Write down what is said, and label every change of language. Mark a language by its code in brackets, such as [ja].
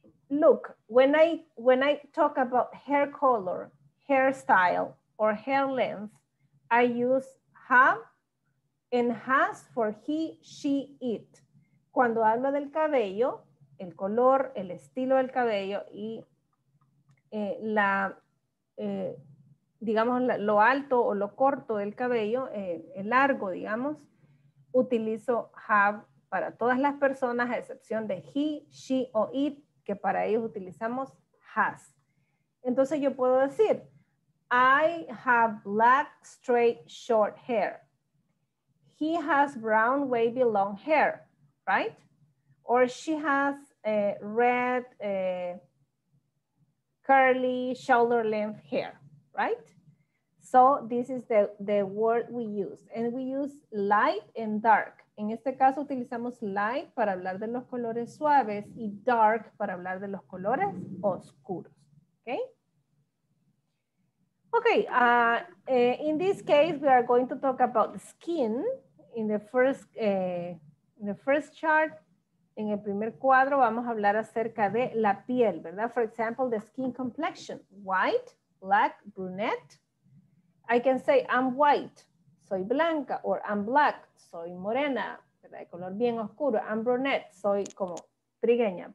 [en] Look, when I talk about hair color, hairstyle, or hair length, I use have and has for he, she, it. [es] Cuando hablo del cabello, el color, el estilo del cabello y lo alto o lo corto del cabello, el largo, digamos, utilizo have para todas las personas, a excepción de he, she o it, que para ellos utilizamos has. Entonces yo puedo decir, [en] I have black, straight, short hair. He has brown, wavy, long hair, right? Or she has red, curly, shoulder length hair, right? So this is the word we use. And we use light and dark. [es] En este caso utilizamos light para hablar de los colores suaves y dark para hablar de los colores oscuros. [en] Okay? Okay, in this case, we are going to talk about skin in the first chart. [es] En el primer cuadro vamos a hablar acerca de la piel, ¿verdad? [en] For example, the skin complexion, white, black, brunette. I can say I'm white, [es] soy blanca, [en] or I'm black, [es] soy morena, ¿verdad? De color bien oscuro, [en] I'm brunette, [es] soy como trigueña.